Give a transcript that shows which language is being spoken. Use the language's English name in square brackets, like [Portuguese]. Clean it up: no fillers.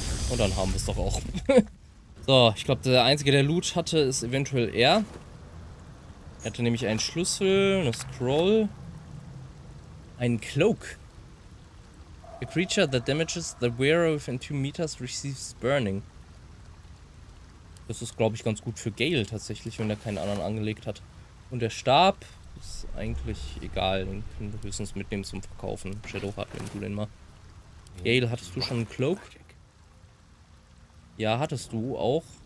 [German] Und dann haben wir es doch auch. So, ich glaube, der Einzige, der Loot hatte, ist eventuell er. Er hatte nämlich einen Schlüssel, eine Scroll, einen Cloak. [English] A creature that damages the wearer within 2 meters receives burning. [German] Das ist, glaube ich, ganz gut für Gale tatsächlich, wenn er keinen anderen angelegt hat. Und der Stab ist eigentlich egal. Den können wir höchstens mitnehmen zum Verkaufen. Shadow hat, wenn du den mal. Gale, hattest du schon einen Cloak? Ja, hattest du auch.